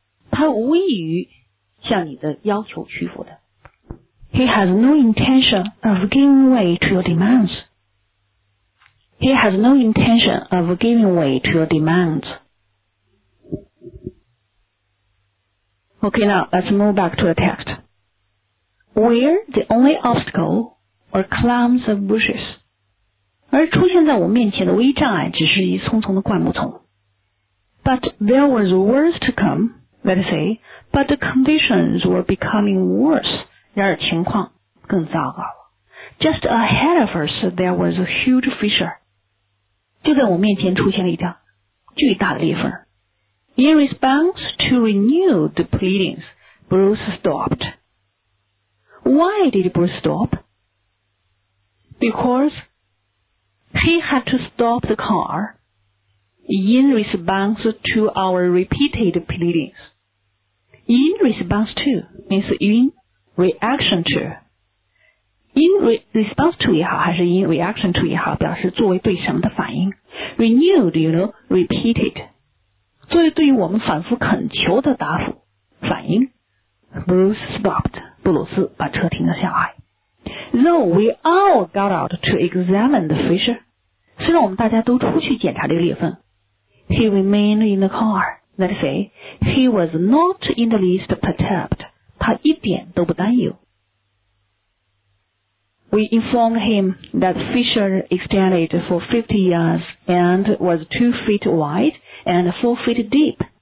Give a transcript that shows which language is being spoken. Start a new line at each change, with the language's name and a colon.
Chinese: 他无异于向你的要求屈服的。
English: He has no intention of giving way to your demands. He has no intention of giving way to your demands. Okay, now let's move back to the text. Where the only obstacle are clumps of bushes.
Chinese: 而出现在我面前的唯一障碍只是一丛丛的灌木丛。
English: But there was worse to come, let us say, but the conditions were becoming worse.
Chinese: 然而情况更糟糕了。
English: Just ahead of us, there was a huge fissure.
Chinese: 就在我面前出现了一条巨大的裂缝。
English: In response to renewed pleadings, Bruce stopped. Why did Bruce stop? Because he had to stop the car in response to our repeated pleadings. In response to means inReaction to. In response to
Chinese: 也好还是
English: in reaction to
Chinese: 也好表示作为对什么的反应。
English: Renewed, you know, repeated.
Chinese: 作为对于我们反复恳求的答复反应。
English: Bruce stopped.
Chinese: 布鲁斯把车停了下来。
English: Though we all got out to examine the fissure.
Chinese: 虽然我们大家都出去检查这个裂缝。
English: He remained in the car. Let us say, he was not in the least perturbed.
Chinese: 他一点都不担忧。
English: We informed him that fissure extended for 50 yards and was 2 feet wide and 4 feet deep.